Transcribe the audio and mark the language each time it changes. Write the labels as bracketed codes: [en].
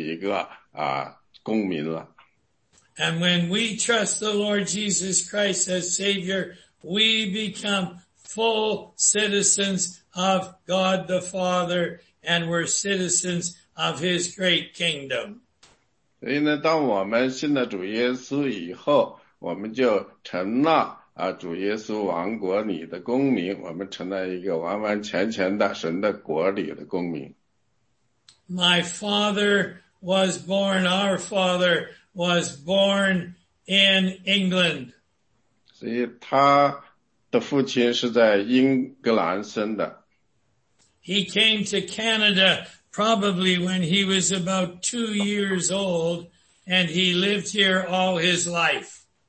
[zh] 当你得到时候呢，你非常感激，你说非常感谢，因为我现在是一个公民了。 [en] And when we trust the Lord Jesus Christ as Savior, we become full citizens of God the Father, and we're citizens of His great kingdom. [zh] 所以呢，当我们信了主耶稣以后，我们就成了 主耶稣王国里的公民，我们成了一个完完全全的神的国里的公民。 [en] My father was born, our father was born in England. [zh] 所以他的父亲是在英格兰生的。 [en] He came to Canada probably when he was about 2 years old, and he lived here all his life.